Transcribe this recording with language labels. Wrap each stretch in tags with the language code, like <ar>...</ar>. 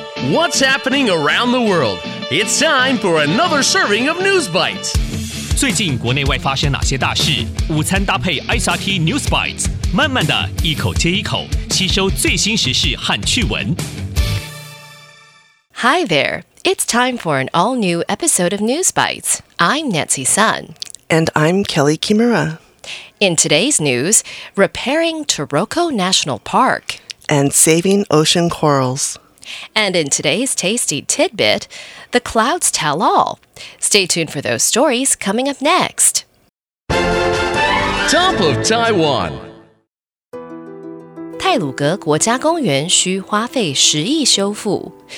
<en>What's happening around the world? It's time for another serving of News Bites.</en> <zh>最近国内外发生哪些大事？午餐搭配 SRT News Bites， 慢慢的一口接一口，吸收最新时事和趣闻。</zh> <en>Hi there, it's time for an all-new episode of News Bites. I'm Nancy Sun. And I'm Kelly Kimura. In today's news, repairing Taroko National Park. And saving ocean corals. And in today's tasty tidbit, the clouds tell all. Stay tuned for those stories coming up next. Top of Taiwan.</en> <zh>太鲁阁国家公园需花费十亿修复。</zh>